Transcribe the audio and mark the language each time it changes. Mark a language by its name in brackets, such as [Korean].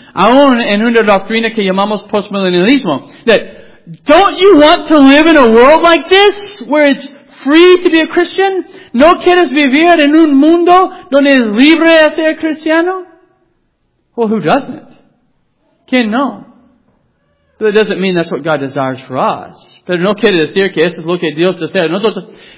[Spanish] Aún en una doctrina que llamamos postmillennialismo. [English] That, don't you want to live in a world like this? Where it's free to be a Christian? [Spanish] ¿No quieres vivir en un mundo donde es libre de ser cristiano? [English] Well, who doesn't? [Spanish] ¿Quién no? [English] But it doesn't mean that's what God desires for us. [Spanish] Pero no quiere decir que eso es lo que Dios desea de nosotros.